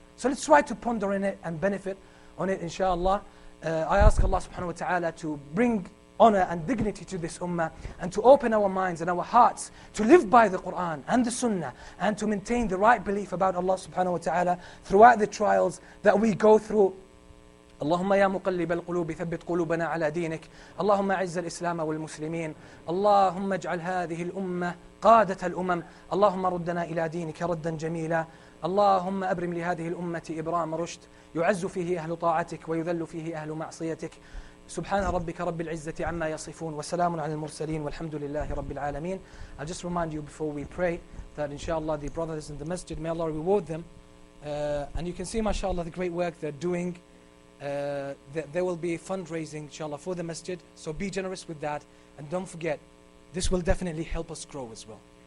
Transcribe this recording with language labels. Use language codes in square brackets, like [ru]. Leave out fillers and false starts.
[en] So let's try to ponder in it and benefit on it, inshallah. I ask Allah subhanahu wa ta'ala to bring honor and dignity to this ummah and to open our minds and our hearts to live by the Quran and the Sunnah and to maintain the right belief about Allah subhanahu wa ta'ala throughout the trials that we go through. [ar] اللهم يا مقلب القلوب ثبت قلوبنا على دينك اللهم أعز الإسلام والمسلمين اللهم اجعل هذه الأمة قادة الأمم اللهم ردنا إلى دينك ردا جميلا اللهم أبرم لهذه الأمة إبرام رشد يعز فيه أهل طاعتك ويذل فيه أهل معصيتك سبحان ربك رب العزة عما يصفون وسلام على المرسلين والحمد لله رب العالمين. [en] I'll just remind you before we pray that inshallah the brothers in the masjid, may Allah reward them, and you can see mashallah the great work they're doing. There will be fundraising inshallah for the masjid, so be generous with that, and don't forget, this will definitely help us grow as well.